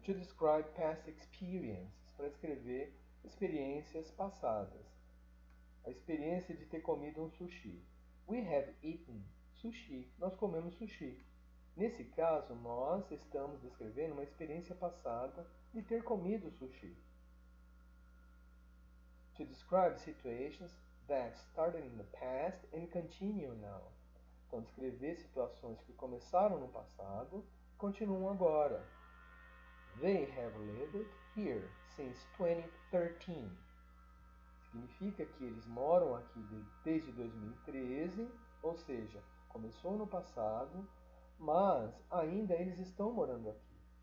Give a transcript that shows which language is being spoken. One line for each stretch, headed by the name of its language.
English: To describe past experiences,
Portuguese: para escrever experiências passadas. A experiência de ter comido um sushi.
English: We have eaten sushi.
Portuguese: Nós comemos sushi. Nesse caso, nós estamos descrevendo uma experiência passada de ter comido sushi.
English: To describe situations that started in the past and continue now.
Portuguese: Então, descrever situações que começaram no passado e continuam agora.
English: They have lived here since 2013.
Portuguese: Significa que eles moram aqui desde 2013, ou seja, começou no passado, mas ainda eles estão morando aqui.